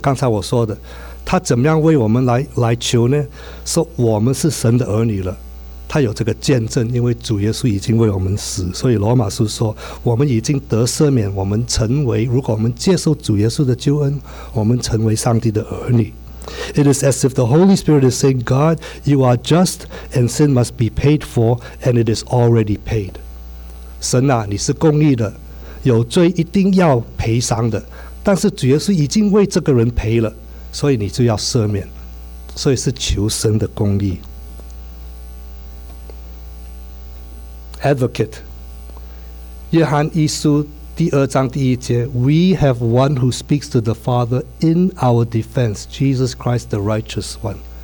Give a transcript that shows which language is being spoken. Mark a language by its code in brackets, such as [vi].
[zh] 刚才我说的，他怎么样为我们 来求呢？说我们是神的儿女了，他有这个见证，因为主耶稣已经为我们死。所以罗马书说，我们已经得赦免，我们成为，如果我们接受主耶稣的救恩，我们成为上帝的儿女。 [en] It is as if the Holy Spirit is saying, God, you are just, and sin must be paid for, and it is already paid. [zh] 神啊，你是公义的，有罪一定要赔偿的，但是主耶稣已经为这个人赔了，所以你就要赦免，所以是求神的公义。 [en] Advocate， [zh] 约翰一书第二章第一节， [en] We have one who speaks to the Father in our defense, Jesus Christ the righteous one.